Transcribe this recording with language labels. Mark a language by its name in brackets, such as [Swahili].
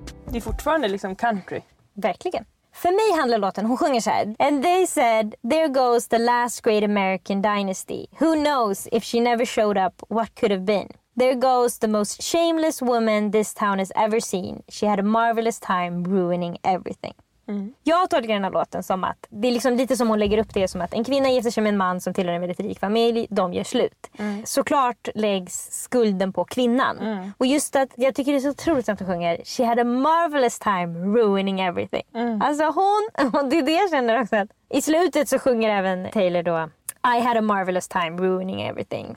[Swedish] Det är fortfarande liksom country. Verkligen. För mig handlar låten, hon sjunger så här. [English] And they said, there goes the last great American dynasty. Who knows if she never showed up, what could have been. There goes the most shameless woman this town has ever seen. She had a marvelous time ruining everything. [Swedish] Jag har tagit den här låten som att det är liksom lite som hon lägger upp det, som att en kvinna gifter sig med en man som tillhör en väldigt rik familj, de gör slut. Såklart läggs skulden på kvinnan. Och just att jag tycker det är så otroligt att hon sjunger [English] "She had a marvelous time ruining everything." [Swedish] Alltså hon, och det är det jag känner också, att i slutet så sjunger även Taylor då [English] "I had a marvelous time ruining everything."